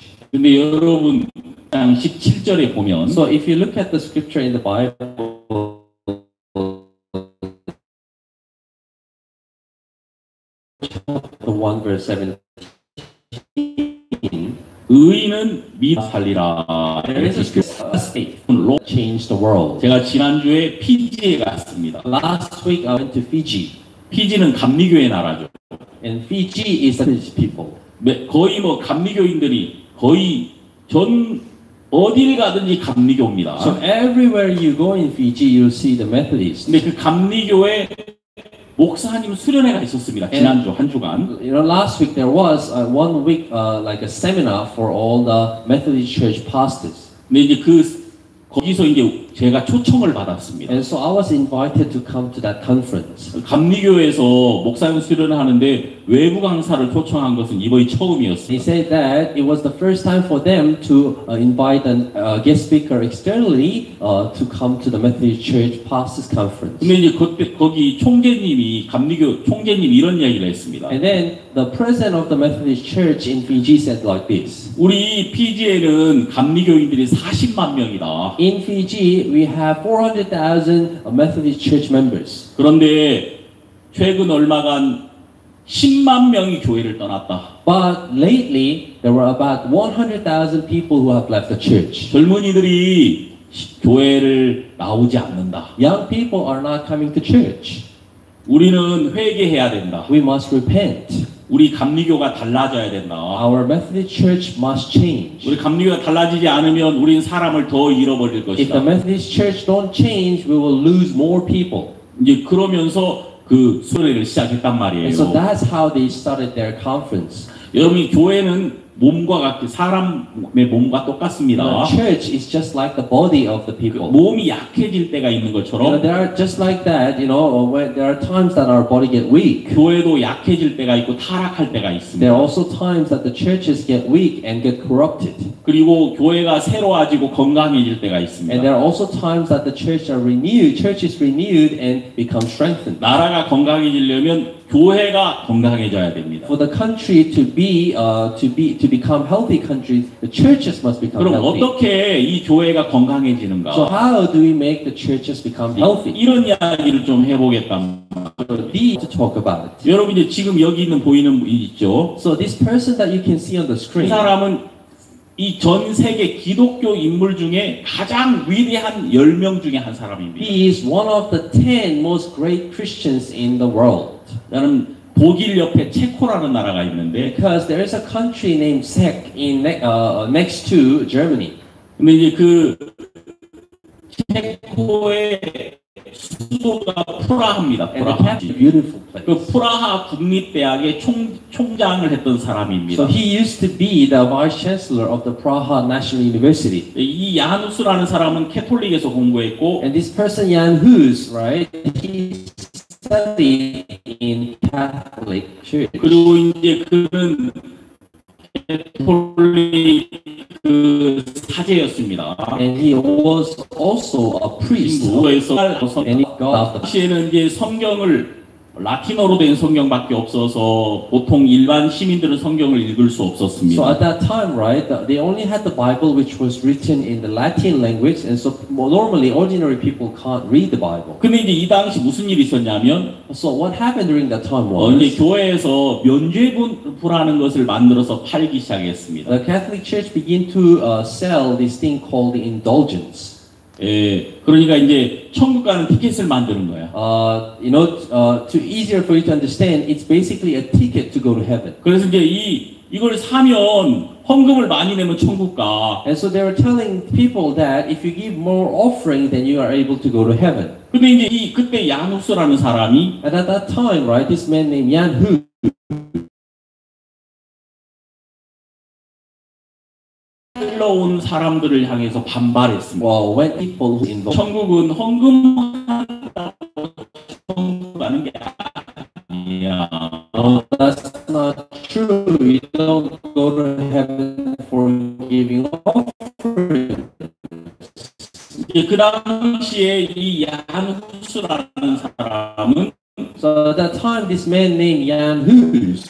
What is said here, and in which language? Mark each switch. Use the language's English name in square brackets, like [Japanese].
[Korean] 근데 여러분 장 17절에 보면 [English] So if you look at the scripture in the Bible [Korean] 의인은 믿음 살리라. [English] There is a state. Lord change the world. [Korean] 제가 지난주에 피지에 갔습니다. [English] Last week I went to Fiji. [Korean] 피지는 감리교의 나라죠. [English] And Fiji is the Fiji people. [Korean] 거의 뭐 감리교인들이 거의 전 어딜 가든지 감리교입니다. [English] So everywhere you go in Fiji, you'll see the Methodists. [Korean] 근데 그 감리교에 목사님 수련회가 있었습니다. 지난주 한 주간. [English] You know, last week there was a one week like a seminar for all the Methodist Church pastors. [Korean] 근데 이제 그 거기서 이제 제가 초청을 받았습니다. [English] And so I was invited to come to that conference. [Korean] 감리교에서 목사님 수련을 하는데 외부 강사를 초청한 것은 이번이 처음이었습니다. [English] They said that it was the first time for them to invite an guest speaker externally to come to the Methodist Church Pastors Conference. [Korean] 근데 이제 거기 총재님이 감리교 총재님 이런 이야기를 했습니다. [English] And then the president of the Methodist Church in Fiji said like this. [Korean] 우리 PGA는 감리교인들이 40만 명이다. [English] In Fiji, we have 400,000 Methodist Church members. [Korean] 그런데 최근 얼마간 10만 명이 교회를 떠났다. [English] But lately, there were about 100,000 people who have left the church. [Korean] 젊은이들이 교회를 나오지 않는다. [English] Young people are not coming to church. [Korean] 우리는 회개해야 된다. [English] We must repent. [Korean] 우리 감리교가 달라져야 된다. [English] Our Methodist church must change. [Korean] 우리 감리교가 달라지지 않으면 우린 사람을 더 잃어버릴 것이다. [English] If the Methodist church don't change, we will lose more people. [Korean] 이제 그러면서 그 수련회를 시작했단 말이에요. [English] And so that's how they started their conference. [Korean] 여러분 교회는 몸과 같이 사람의 몸과 똑같습니다. [English] The church is just like the body of the people. [Korean] 그 몸이 약해질 때가 있는 것처럼. [English] You know, there are just like that, you know, where there are times that our body get weak. [Korean] 교회도 약해질 때가 있고 타락할 때가 있습니다. [English] There are also times that the churches get weak and get corrupted. [Korean] 그리고 교회가 새로워지고 건강해질 때가 있습니다. [English] And there are also times that the church are renewed, churches renewed and become strengthened. [Korean] 나라가 건강해지려면 교회가 건강해져야 됩니다. [English] For the country to be to become healthy country, the churches must become [Korean] 그럼 [English] healthy. [Korean] 그럼 어떻게 이 교회가 건강해지는가? [English] So how do we make the churches become healthy? [Korean] 이런 이야기를 좀 해보겠단 말이에요. [English] To talk about. [Korean] 여러분 이제 지금 여기 있는 보이는 분 있죠? [English] So this person that you can see on the screen. [Korean] 이 사람은 이 전 세계 기독교 인물 중에 가장 위대한 10명 중에 한 사람입니다. [English] He is one of the 10 most great Christians in the world. [Korean] 나는 독일 옆에 체코라는 나라가 있는데 [English] because there is a country named Czech in next to Germany. [Korean] 근데 이제 그 체코의 수도가 프라하입니다. 프라하. [English] Beautiful place. [Korean] 그 프라하 국립대학의 총장을 했던 사람입니다. [English] So he used to be the vice chancellor of the Praha National University. [Korean] 이 야누스라는 사람은 캐톨릭에서 공부했고 [English] and this person Jan Hus, right? He's study in Catholic church. [Korean] 그리고 이제 그는 캐톨릭 그 사제였습니다. [English] And he was also a priest. [Korean] 부에서 당시에는 이제 성경을 라틴어로 된 성경밖에 없어서 보통 일반 시민들은 성경을 읽을 수 없었습니다. [English] So at that time, right, they only had the Bible which was written in the Latin language, and so normally ordinary people can't read the Bible. [Korean] 근데 이제 이 당시 무슨 일이 있었냐면, [English] so what happened during that time was, [Korean] 이제 교회에서 면죄부라는 것을 만들어서 팔기 시작했습니다. [English] The Catholic Church began to sell this thing called the indulgence. [Korean] 예, 그러니까 이제 천국 가는 티켓을 만드는 거야. [English] You know, to easier for you to understand, it's basically a ticket to go to heaven. [Korean] 그래서 이제 이걸 사면 헌금을 많이 내면 천국 가. [English] And so they were telling people that if you give more offering, then you are able to go to heaven. [Korean] 근데 이제 이 그때 야누스라는 사람이 [English] at that time, right, this man named Jan Hus. [Korean] 흘러온 사람들을 향해서 반발했습니다. [English] Well, when people who involved [Korean] 천국은 헌금한다고 천국하는 게 아니야. [English] That's not true. You don't go to heaven for giving offerings. [Korean] 이제 그 당시에 이 야누스라는 사람은 [English] So at that time, this man named Jan Hus